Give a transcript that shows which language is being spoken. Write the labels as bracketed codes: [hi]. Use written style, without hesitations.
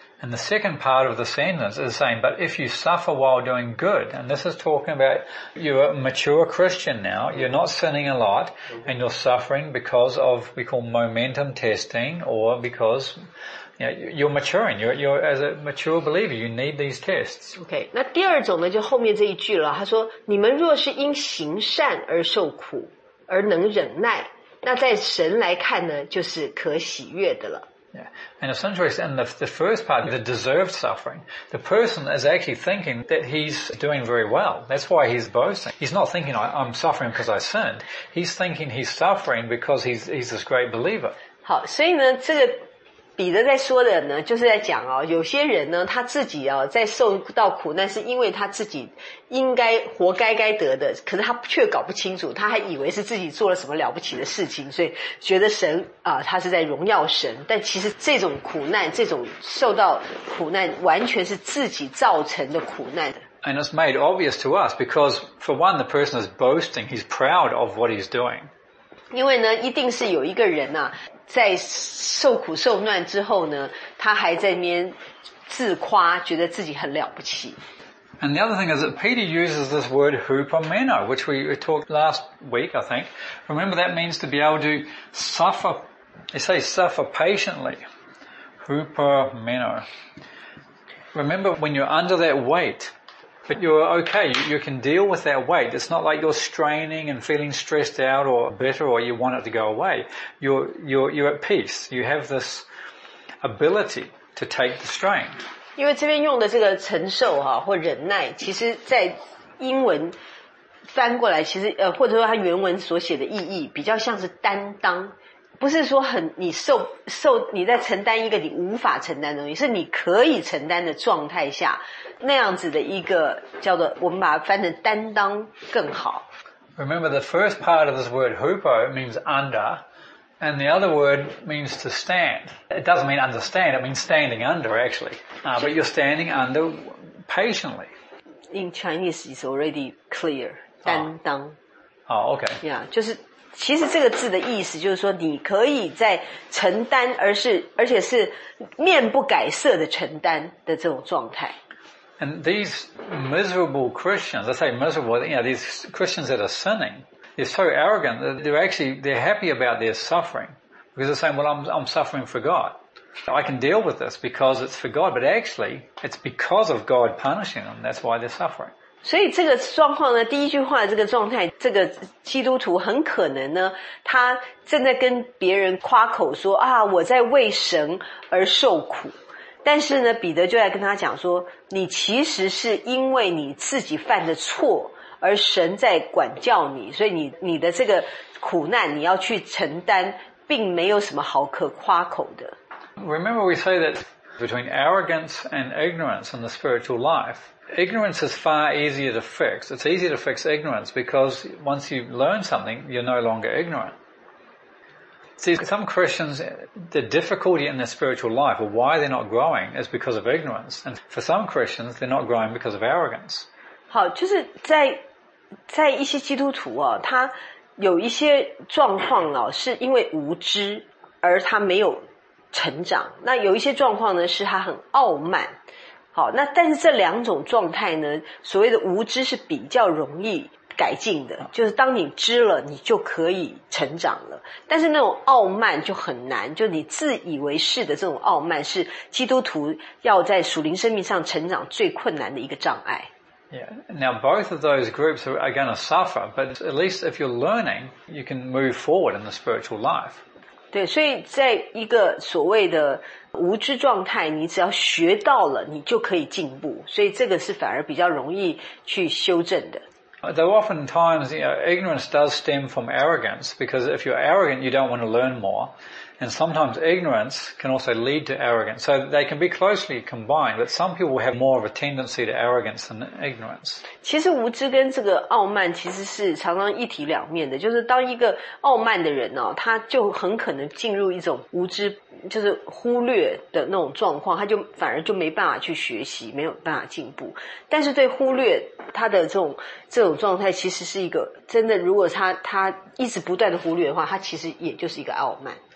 [en] And the second part of the sentence is saying, but if you suffer while doing good, and this is talking about you're a mature Christian now, you're not sinning a lot, and you're suffering because of, we call momentum testing, or because you're maturing, you're as a mature believer, you need these tests. [zh] Okay, 那第二种呢，就后面这一句了，他说，你们若是因行善而受苦，而能忍耐，那在神来看呢，就是可喜悦的了。 [en] Yeah, and it's interesting, the first part, the deserved suffering, the person is actually thinking that he's doing very well. That's why he's boasting. He's not thinking, I'm suffering because I sinned. He's thinking he's suffering because he's this great believer. [zh] 好，所以呢，这个彼得在说的呢，就是在讲哦，有些人呢，他自己哦，在受到苦难，是因为他自己应该活该得的，可是他却搞不清楚，他还以为是自己做了什么了不起的事情，所以觉得神啊，他是在荣耀神，但其实这种苦难，这种受到苦难，完全是自己造成的苦难。 [en] And it's made obvious to us because, for one, the person is boasting, he's proud of what he's doing. [zh] 因为呢，一定是有一个人啊。在受苦受难之后呢，他还在那边自夸，觉得自己很了不起。 [en] And the other thing is that Peter uses this word hupomeno, which we talked last week, I think. Remember that means to be able to suffer. They say suffer patiently. Hupomeno. Remember when you're under that weight, but you're okay. You can deal with that weight. It's not like you're straining and feeling stressed out or bitter or you want it to go away. You're at peace. You have this ability to take the strain. [zh] 因为这边用的这个承受啊，或忍耐，其实在英文翻过来，其实或者说它原文所写的意义比较像是担当，不是说很你受你在承担一个你无法承担的东西，是你可以承担的状态下。那样子的一个叫做我们把它翻成担当更好。 [en] Remember the first part of this word hupo means under, and the other word means to stand. It doesn't mean understand, it means standing under actually. But you're standing under patiently. In Chinese it's already clear, 担当。 Oh, okay. [zh] Yeah, 就是其实这个字的意思就是说你可以在承担而且是面不改色的承担的这种状态。 [en] And these miserable Christians, I say miserable, these Christians that are sinning, they're so arrogant that they're happy about their suffering. Because they're saying, well, I'm suffering for God. I can deal with this because it's for God, but actually, it's because of God punishing them, that's why they're suffering. [zh] 所以这个状况呢，第一句话这个状态，这个基督徒很可能呢，他正在跟别人夸口说，我在为神而受苦。但是呢，彼得就来跟他讲说，你其实是因为你自己犯的错，而神在管教你，所以你的这个苦难你要去承担，并没有什么好可夸口的。 [en] Remember we say that between arrogance and ignorance in the spiritual life, ignorance is far easier to fix. It's easy to fix ignorance because once you learn something, you're no longer ignorant. See, some Christians, the difficulty in their spiritual life or why they're not growing is because of ignorance. And for some Christians, they're not growing because of arrogance. [zh] 好，就是在一些基督徒啊，他有一些状况啊，是因为无知而他没有成长。那有一些状况呢，是他很傲慢。好，那但是这两种状态呢，所谓的无知是比较容易改进的，就是当你知了，你就可以成长了。但是那种傲慢就很难，就你自以为是的这种傲慢，是基督徒要在属灵生命上成长最困难的一个障碍。 [en] Yeah, now both of those groups are going to suffer, but at least if you're learning, you can move forward in the spiritual life. [zh] 对，所以在一个所谓的无知状态，你只要学到了，你就可以进步。所以这个是反而比较容易去修正的。 [en] Though oftentimes, you know, ignorance does stem from arrogance, because if you're arrogant, you don't want to learn more. And sometimes ignorance can also lead to arrogance. So they can be closely combined, but some people have more of a tendency to arrogance than ignorance. [zh] 其实无知跟这个傲慢其实是常常一体两面的，就是当一个傲慢的人哦，他就很可能进入一种无知，就是忽略的那种状况，他就反而就没办法去学习，没有办法进步。但是对忽略他的这种状态，其实是一个真的，如果他一直不断的忽略的话，他其实也就是一个傲慢。